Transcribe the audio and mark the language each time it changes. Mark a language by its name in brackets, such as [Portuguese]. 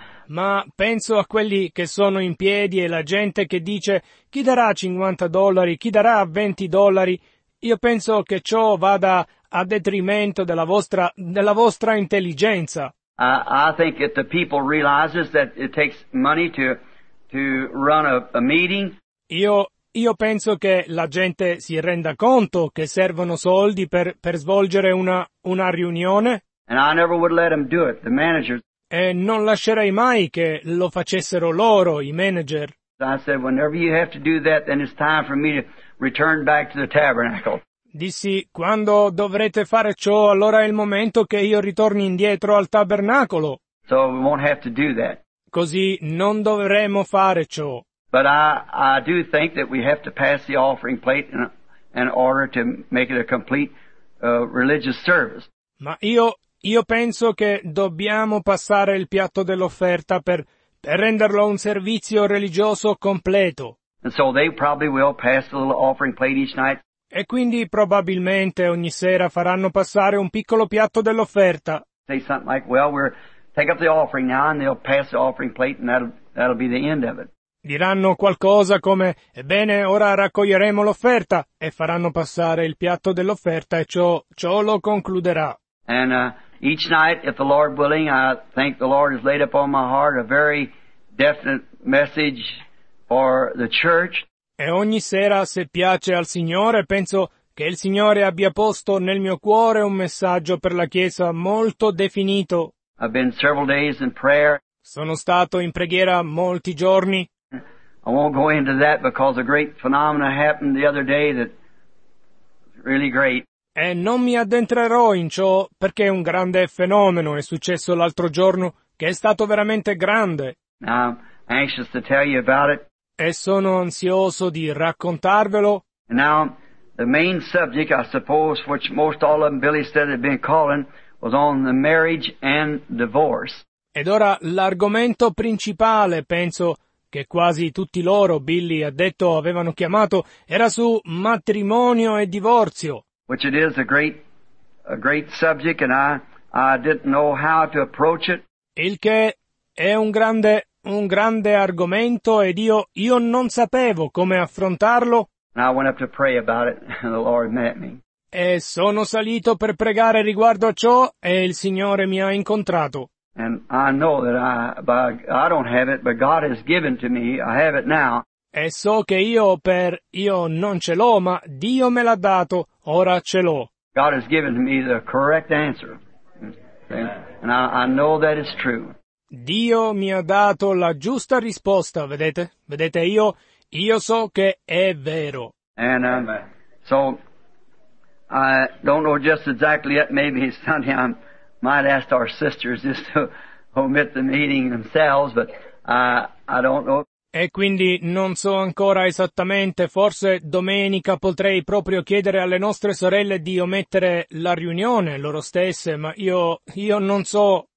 [Italian] Ma penso a quelli che sono in piedi e la gente che dice chi darà $50, chi darà $20, io penso che ciò vada a detrimento della vostra intelligenza. [English] I think that the people realizes that it takes money to run a meeting. [Italian] Io penso che la gente si renda conto che servono soldi per svolgere una riunione. [English] And I never would let them do it, the managers. [Italian] E non lascerei mai che lo facessero loro, i manager. [English] I said, "Whenever you have to do that, then it's time for me to return back to the tabernacle." [Italian] Dissi, quando dovrete fare ciò, allora è il momento che io ritorni indietro al tabernacolo. So we won't have to do that. Così non dovremo fare ciò. [English] But I do think that we have to pass the offering plate in order to make it a complete religious service. [Italian] Ma io penso che dobbiamo passare il piatto dell'offerta per renderlo un servizio religioso completo. [English] And so they probably will pass the little offering plate each night. [Italian] E quindi probabilmente ogni sera faranno passare un piccolo piatto dell'offerta. [English] Say something like, "Well, we're take up the offering now," and they'll pass the offering plate, and that'll be the end of it. [Italian] Diranno qualcosa come, "Ebbene, ora raccoglieremo l'offerta," e faranno passare il piatto dell'offerta, e ciò lo concluderà. [English] And each night, if the Lord willing, I think the Lord has laid upon my heart a very definite message for the church. [Italian] E ogni sera, se piace al Signore, penso che il Signore abbia posto nel mio cuore un messaggio per la Chiesa molto definito. [English] I've been several days in prayer. [Italian] Sono stato in preghiera molti giorni. [English] I won't go into that because a great phenomenon happened the other day that really great. [Italian] E non mi addentrerò in ciò perché un grande fenomeno è successo l'altro giorno che è stato veramente grande. [English] I'm anxious to tell you about it. [Italian] E sono ansioso di raccontarvelo. [English] And now, the main subject, I suppose, which most all of them Billy said had been calling, was on the marriage and divorce. [Italian] Ed ora l'argomento principale, penso, che quasi tutti loro, Billy ha detto, avevano chiamato, era su matrimonio e divorzio. [English] Which it is a great subject, and I didn't know how to approach it. [Italian] Il che è un grande argomento, ed io non sapevo come affrontarlo. [English] And I went up to pray about it, and the Lord met me. [Italian] E sono salito per pregare riguardo a ciò, e il Signore mi ha incontrato. [English] And I know that I don't have it, but God has given to me. I have it now. [Italian] E so che io non ce l'ho, ma Dio me l'ha dato. Ora ce l'ho. [English] God has given to me the correct answer. And I know that it's true. [Italian] Dio mi ha dato la giusta risposta, vedete? Vedete, io so che è vero. [English] And so I don't know just exactly yet. Maybe Sunday I might ask our sisters just to omit the meeting themselves, but I don't know. [Italian] E quindi non so ancora esattamente, forse domenica potrei proprio chiedere alle nostre sorelle di omettere la riunione loro stesse, ma io non so.